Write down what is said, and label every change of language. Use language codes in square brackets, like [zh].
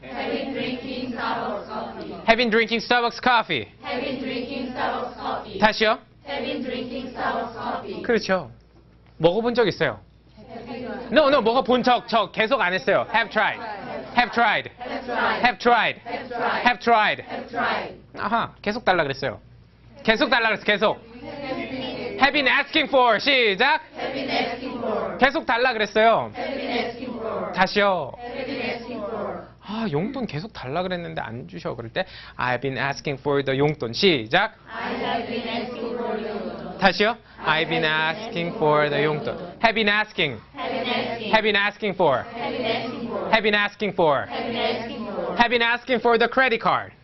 [en] Have been drinking Starbucks coffee. Have been drinking Starbucks coffee. Have been drinking Starbucks coffee. [ko] 다시요? [en] Have been drinking Starbucks coffee. [ko] 그렇죠. 먹어본 적 있어요? [en] Have [ko] no, no, 먹어본 적, 저 계속 안 했어요. [en] Have tried. Have tried. Have tried. Have tried. [ko] Have tried. 아하, 계속 달라 그랬어요. 계속 달라 그랬어요. 계속. [en] Have been asking for. 시작. Have been asking for. [ko] 계속 달라 그랬어요. [en] Have been asking for. [ko] 다시요. [en] Have been asking for. [ko] 아, 용돈 계속 달라 그랬는데 안 주셔. [en] 그럴 때 I've been asking for the 용돈. [ko] 시작. [en] I have been asking for the 용돈. [ko] 다시요. [en] I've been asking for the 용돈. Have been asking. Have been asking for. Have been asking for. Have been asking for the credit card.